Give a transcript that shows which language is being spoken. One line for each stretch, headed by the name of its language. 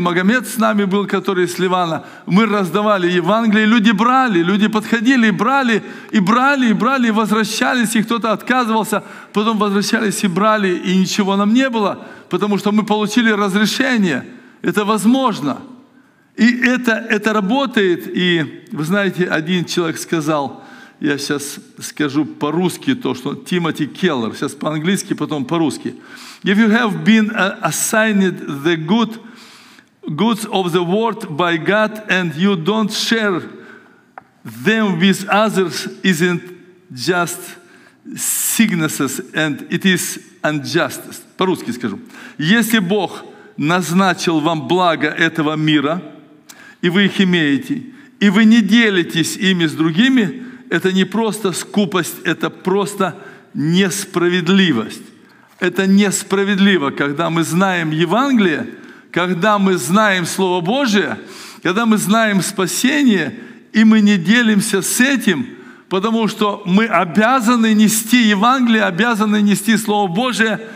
Russian: Магомед с нами был, который из Ливана. Мы раздавали Евангелие, люди брали, люди подходили и брали, и брали, и брали, и возвращались, и кто-то отказывался, потом возвращались и брали, и ничего нам не было, потому что мы получили разрешение. Это возможно. И это работает. И вы знаете, один человек сказал, я сейчас скажу по-русски то, что Тимоти Келлер, сейчас по-английски, потом по-русски.
English: If you have been assigned the goods of the world by God and you don't share them with others, isn't just sicknesses and it is unjust.
Russian: По-русски скажу. Если Бог назначил вам благо этого мира, и вы их имеете, и вы не делитесь ими с другими, это не просто скупость, это просто несправедливость. Это несправедливо, когда мы знаем Евангелие, когда мы знаем Слово Божие, когда мы знаем спасение, и мы не делимся с этим, потому что мы обязаны нести Евангелие, обязаны нести Слово Божие.